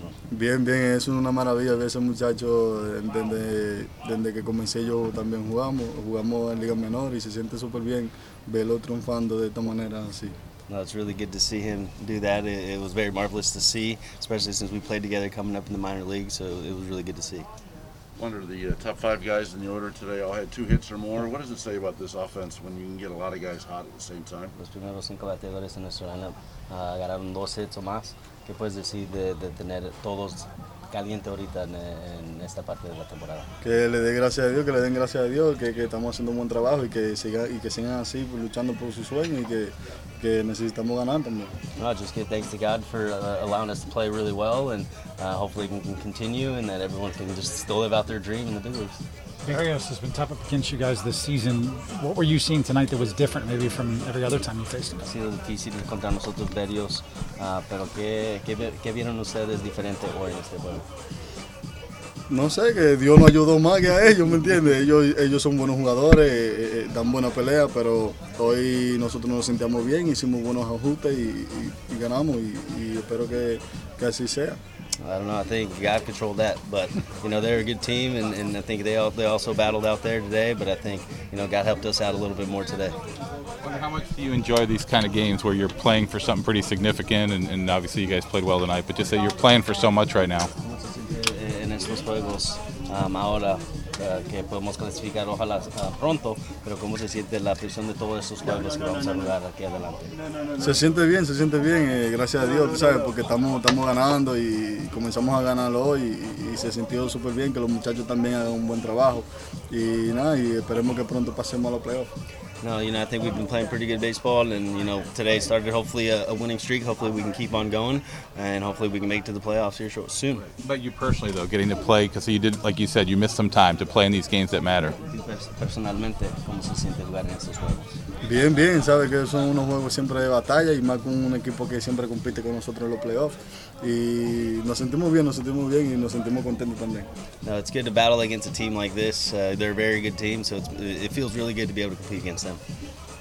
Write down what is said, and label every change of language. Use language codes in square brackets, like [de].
[es] Bien, es una maravilla ver ese muchacho desde que comencé yo también jugamos en Liga Menor y se siente súper bien verlo triunfando de esta manera así. [en] No, it's really good to see him do that. It was very marvelous to see, especially since we played together coming up in the minor league, so it was really good to see. Wonder the top five guys in the order today all had two hits or more. What does it say about this offense when you can get a lot of guys hot at the same time? [es] Los primeros cinco bateadores en nuestro lineup agarraron dos hits o más. ¿Qué puedes decir de tener todos caliente ahorita en esta parte de la temporada? Que le den gracias a Dios, que le den gracias a Dios, que estamos haciendo un buen trabajo y que sigan así luchando por su sueño y que necesitamos ganar también. [en] No, just give thanks to God for allowing us to play really well, and hopefully we can continue and that everyone can just still live out their dream in the big leagues. Barrios has been tough up against you guys this season. What were you seeing tonight that was different maybe from every other time you faced him? [es] Ha sido difícil contra nosotros, Barrios, pero ¿qué vieron ustedes diferente hoy en este juego? No sé, que Dios nos ayudó más que a ellos, ¿me entiendes? Ellos son buenos jugadores, dan buena pelea, pero hoy nosotros nos sentíamos bien, hicimos buenos ajustes y ganamos y espero que así sea. [en] I don't know, I think God controlled that, but, you know, they're a good team, and I think they also battled out there today, but I think, you know, God helped us out a little bit more today. Wonder how much do you enjoy these kind of games where you're playing for something pretty significant, and obviously you guys played well tonight, but just that you're playing for so much right now. [es] En estos juegos, ahora que podemos clasificar, ojalá pronto, pero ¿cómo se siente la presión de todos esos juegos que vamos a jugar aquí adelante? Se siente bien, gracias a Dios, tú sabes, porque estamos ganando y comenzamos a ganarlo hoy y se sintió súper bien que los muchachos también hagan un buen trabajo y nada, y esperemos que pronto pasemos a los playoffs. [en] No, you know, I think we've been playing pretty good baseball, and, you know, today started hopefully a winning streak. Hopefully we can keep on going, and hopefully we can make it to the playoffs here soon. But you personally, though, getting to play, because you did, like you said, you missed some time to play in these games that matter. [es] Personalmente, ¿cómo se siente jugar en estos juegos? Bien, sabes que son unos juegos siempre de batalla, y más con un equipo que siempre compite con nosotros en los playoffs. Y nos sentimos bien, y nos sentimos contentos también. [en] No, it's good to battle against a team like this. They're a very good team, so it feels really good to be able to compete against them. Thank you.